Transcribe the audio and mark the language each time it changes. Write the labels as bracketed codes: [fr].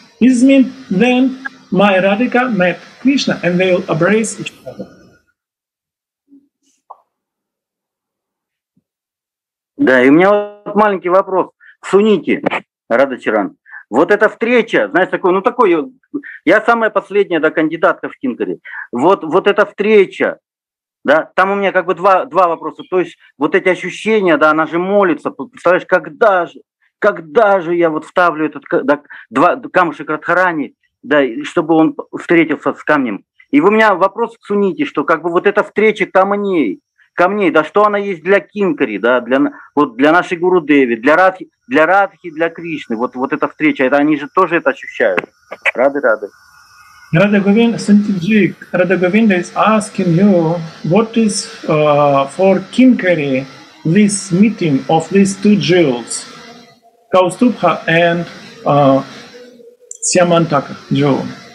[en] This means then my Radhika met Krishna and they will embrace each other. [ru] Да, и у меня вот маленький вопрос. Суните, Рада Чаран. Вот эта встреча, знаешь, такой, ну такой, я самая последняя, да, кандидатка в Кинкари. Вот эта встреча, Да, там у меня как бы два вопроса. То есть вот эти ощущения, да, она же молится. Представляешь, когда же я вот вставлю этот два камушек Радхарани, да, чтобы он встретился с камнем. И у меня вопрос к Суните, что как бы вот эта встреча камней, да, что она есть для Кинкари, да, для нашей Гуру Деви, для Радхи, для Кришны, вот эта встреча, это они же тоже это ощущают. Рады. [en] Radha Govinda, Santiji, Radha Govinda is asking you, what is for Kinkari this meeting of these two jewels, Kaustubha and Syamantaka jewel?